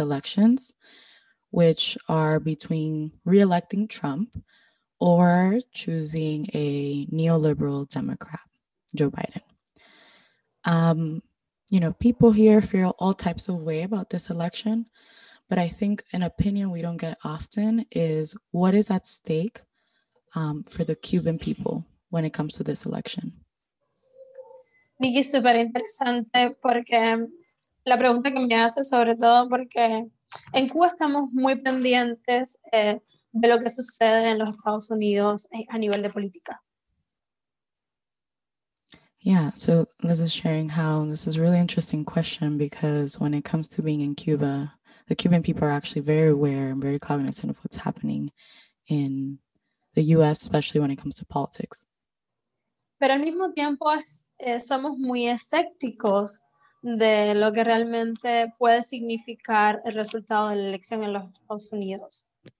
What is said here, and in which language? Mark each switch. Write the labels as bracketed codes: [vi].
[en] elections, which are between re-electing Trump or choosing a neoliberal Democrat, Joe Biden. You know, people here feel all types of way about this election, but I think an opinion we don't get often is what is at stake for the Cuban people when it comes to this election. [es] Nikki, super interesante porque la pregunta que me hace, sobre todo porque en Cuba estamos muy pendientes de lo que sucede en los Estados Unidos a nivel de política. [en] Yeah, so Liz is sharing how this is a really interesting question because when it comes to being in Cuba, the Cuban people are actually very aware and very cognizant of what's happening in the U.S., especially when it comes to politics. [es] Pero al mismo tiempo somos muy escépticos de lo que realmente puede significar el resultado de la elección en los Estados Unidos.